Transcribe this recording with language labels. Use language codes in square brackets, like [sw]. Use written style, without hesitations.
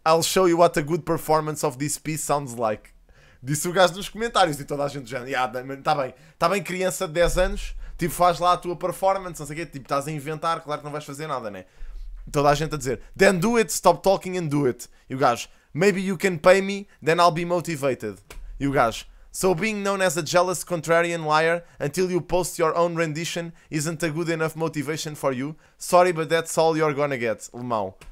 [en] I'll show you what a good performance of this piece sounds like." [pt] Disse o gajo nos comentários e toda a gente já... Está bem, criança de 10 anos. Tipo, faz lá a tua performance, não sei o quê. Tipo, estás a inventar, claro que não vais fazer nada, né? Toda a gente a dizer: [en] "Then do it, stop talking and do it." [pt] E o gajo: [en] "Maybe you can pay me, then I'll be motivated." [pt] E o gajo: [en] "So being known as a jealous contrarian liar until you post your own rendition isn't a good enough motivation for you? Sorry, but that's all you're gonna get, Lemão."